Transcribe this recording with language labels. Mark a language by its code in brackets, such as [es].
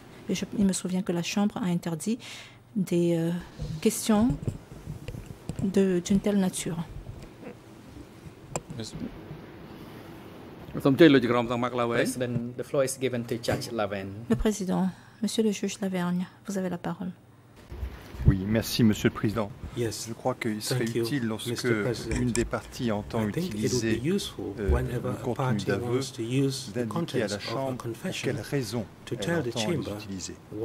[fr] Et il me souvient que la chambre a interdit des questions d'une telle nature. [en] President, the floor is given to Judge Lavergne. [fr] Le président, Monsieur le juge Lavergne, vous avez la parole. Oui, merci, Monsieur le Président. [en] Yes. [fr] Je crois qu'il serait [en] Thank [fr] utile lorsque une des parties entend utiliser le contenu d'aveu d'indiquer à la Chambre pour quelle raison elle entend l'utiliser.